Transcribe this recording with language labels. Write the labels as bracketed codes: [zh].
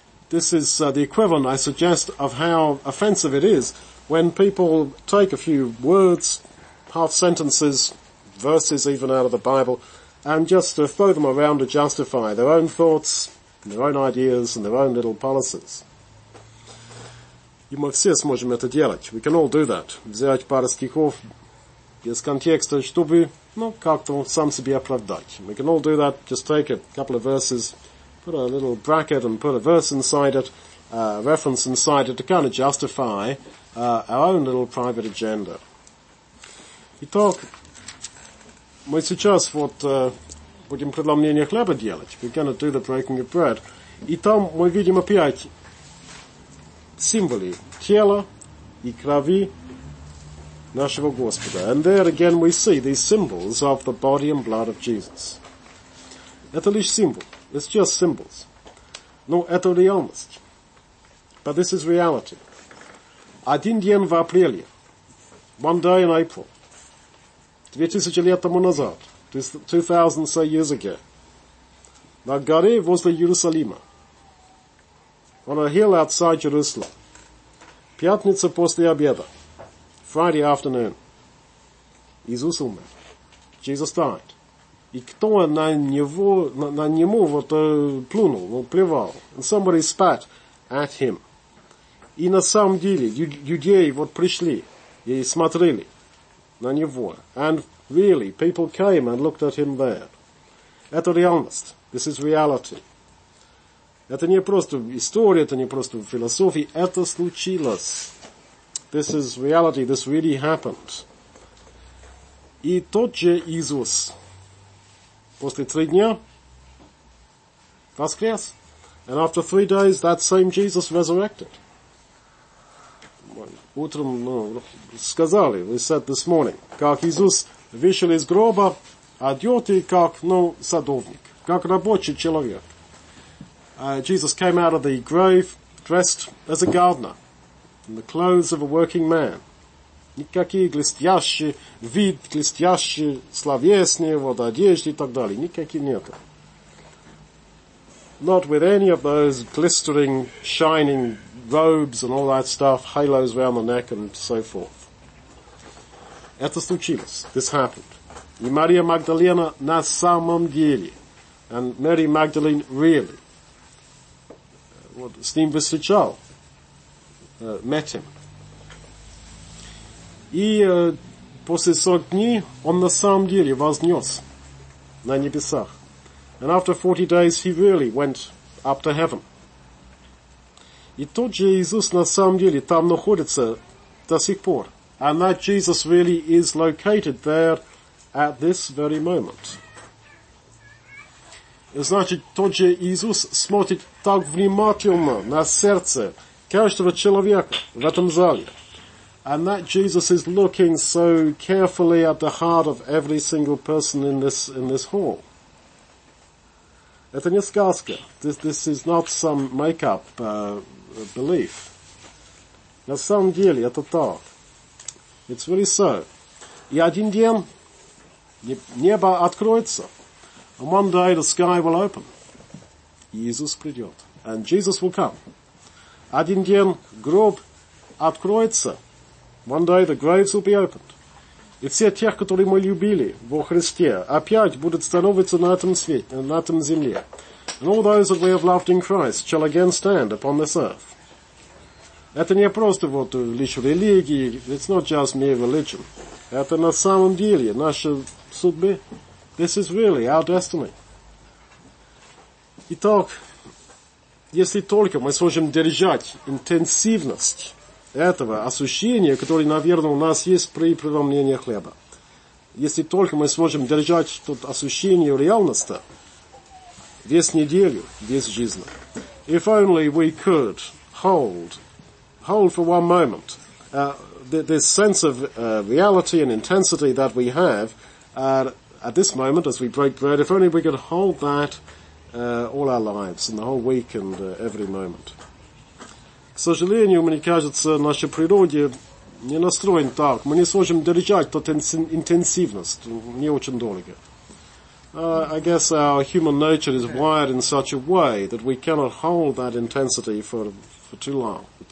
[en] This is the equivalent, I suggest, of how offensive it is when people take a few words, half sentences, verses even out of the Bible, and just throw them around to justify their own thoughts, their own ideas, and their own little policies. [ru] И мы все сможем это делать. [en] We can all do that. [ru] Взять пару стихов без контекста, чтобы, ну, как-то сам себе оправдать. [en] We can all do that. Just take a couple of verses, put a little bracket and put a verse inside it, a reference inside it, to kind of justify our own little private agenda. [ru] Итак, мы сейчас вот будем преломление хлеба делать. [en] We're going to do the breaking of bread. [ru] И там мы видим опять символы тела и крови нашего Господа. [en] And there again we see these symbols of the body and blood of Jesus. [ru] Это лишь символ. [en] It's just symbols. [ru] Но это реальность. [en] But this is reality. [ru] Один день в апреле, [en] one day in April, [ru] 2000 лет тому назад, [en] 2000 years ago, [ru] на горе возле Иерусалима, [en] on a hill outside Jerusalem, [ru] пятница после обеда, [en] Friday afternoon, [ru] Иисус умер. [en] Jesus died. [ru] И кто на него вот плюнул, он плевал. [en] And somebody spat at him. [ru] И на самом деле, людей вот пришли и смотрели на него. [en] And really, people came and looked at him there. [ru] Это реальность. [en] This is reality. [ru] Это не просто история, это не просто философия. Это случилось. [en] This is reality. This really happened. [ru] И тот же Иисус после три дня воскрес. [en] And after 3 days, that same Jesus resurrected. [ru] Утром, ну, сказали, [en] we said this morning, [ru] как Иисус вышел из гроба, одетый как, ну, садовник, как рабочий человек. [en] Jesus came out of the grave dressed as a gardener, in the clothes of a working man. [ru] Никакие глестящие вид, глестящие словесные вот одежды и так далее, никакие нету. [en] Not with any of those glistering, shining robes and all that stuff, halos around the neck and so forth. [ru] Это случилось. [en] This happened. [ru] И Мария Магдалина на самом деле. [en] And Mary Magdalene really. [ru] Вот, с ним встречал. [en] Met him. [ru] И после 40 дней он на самом деле вознес на небесах. [en] And after 40 days, he really went up to heaven. [ru] И тот же Иисус на самом деле там находится до сих пор. [en] And that Jesus really is located there at this very moment. [ru] Значит, тот же Иисус смотрит так внимательно на сердце каждого человека в этом зале. [en] And that Jesus is looking so carefully at the heart of every single person in this hall. [ru] Это не сказка. [en] This is not some make-up belief. [ru] На самом деле, это так. [en] It's really so. [ru] И один день небо откроется. [en] And one day the sky will open. [ru] Иисус придет. [en] And Jesus will come. [ru] Один день гроб откроется. [en] One day the graves will be opened. [ru] И все тех, которые мы любили во Христе, опять будут становиться на этом свете, на этом земле. [en] And all those that we have loved in Christ shall again stand upon this earth. [ru] Это не просто вот лишь религии, [en] it's not just mere religion. [ru] Это на самом деле наша судьба. [en] This is really our destiny. [ru] Итак, если только мы сможем держать интенсивность этого ощущения, которое, наверное, у нас есть при преломлении хлеба. Если только мы сможем держать тут ощущение реальности весь неделю, весь жизнь. [en] If only we could hold for one moment this sense of reality and intensity that we have at this moment as we break bread, if only we could hold that all our lives and the whole week and every moment. [ru] К сожалению, мне кажется, наша природа не настроена так. Мы не сможем держать тот интенсивность не очень долго. [en] I guess our human nature is wired in such a way that we cannot hold that intensity for too long.